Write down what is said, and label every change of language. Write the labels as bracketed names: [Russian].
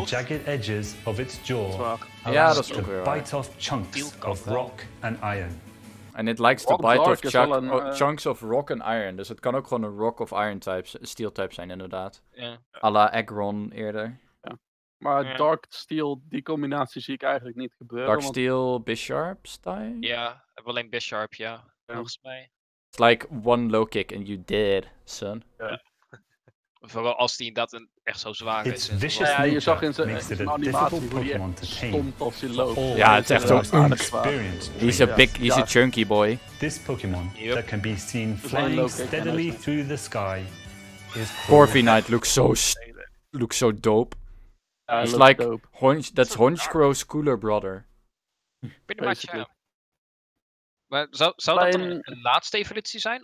[English] And jagged edges of its jaw. [Dutch] Ja, dat is ook weer waar. [English] Bite off chunks of rock and iron. [Dutch] En [English] it likes to bite off chunks of rock and iron. [Dutch] Dus het kan ook gewoon een rock of iron type, steel type zijn, inderdaad. [English] Yeah. [Dutch] A la Aggron eerder. Ja. Maar dark steel, die combinatie zie ik eigenlijk niet gebeuren. [English] Dark steel, Bisharp style? [Dutch] Ja, yeah, alleen Bisharp, ja. Yeah. Volgens mij. [English] It's like one low kick and you dead, son. Yeah. [Dutch] Vooral als die dat echt zo zwaar [English] it's [Dutch] is. [English] Vicious [Dutch] ja, je zag in zijn animatie hoe die stond als hij loopt. Ja, yeah, het is echt ook zwaar. [English] He's a big, he's a chunky boy. This Pokemon that can be seen flying steadily through the sky is Corviknight looks so dope. Yeah, it's like dope. That's Honchkrow's cooler brother. Pretty much, yeah. [Dutch] Maar zou dat een laatste evolutie zijn?